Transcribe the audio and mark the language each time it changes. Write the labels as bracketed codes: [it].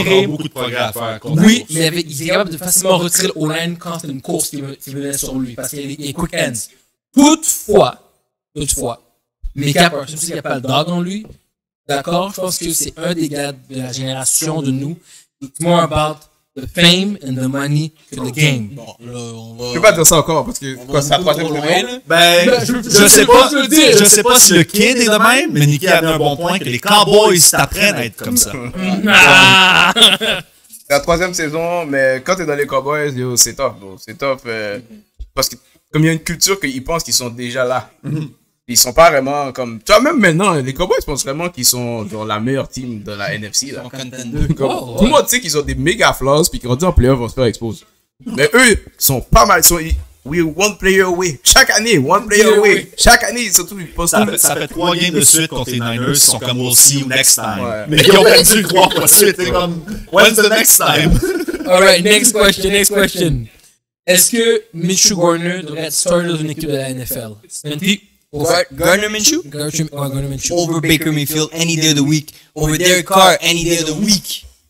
[fr] Il avait beaucoup de progrès à faire. Oui, il était capable de facilement retirer le O-line quand c'était une course qui venait sur lui, parce qu'il est [en] quick hands. [fr] Toutefois, mais Parsons, s'il n'y a pas le dog en lui, d'accord, je pense que c'est un des gars de la génération de nous. [en] It's more about the fame and the money to the game. [fr] Bon, je ne vais pas dire ça encore parce que quand ça prend trop loin. Je sais pas si le kid est le même, mais Nicky avait un bon point que les Cowboys s'apprennent à être comme ça. C'est la troisième saison, mais quand tu es dans les Cowboys, yo, c'est top. Bro. C'est top parce que comme il y a une culture qu'ils pensent qu'ils sont déjà là. Mm-hmm. Ils sont pas vraiment comme... Tu vois, même maintenant, les Cowboys pensent vraiment qu'ils sont genre la meilleure team de la NFC. Ils Sont contenders. Comme... Oh, ouais. Moi, tu sais qu'ils ont des méga flaws, puis qu'ils ont dit en playoff, on se faire expose. Mais eux, ils sont pas mal. Ils sont... [en] We're one player away. [fr] Chaque année, [en] one player away. [fr] Chaque année, surtout, ils pensent... Ça fait trois games de suite contre les Niners. Ils sont comme, [en] we'll see you next time. [fr] Ouais. Mais ils ont perdu trois fois de suite. C'est comme, [en] when's the next time? All right, next question. [fr] Est-ce que Mitchell Gardner devrait être starter dans une équipe de la NFL? C'est Gardner Minshew? Gardner Minshew. [en] Over Baker Mayfield any day of the week. Over Derek Carr any day of the week.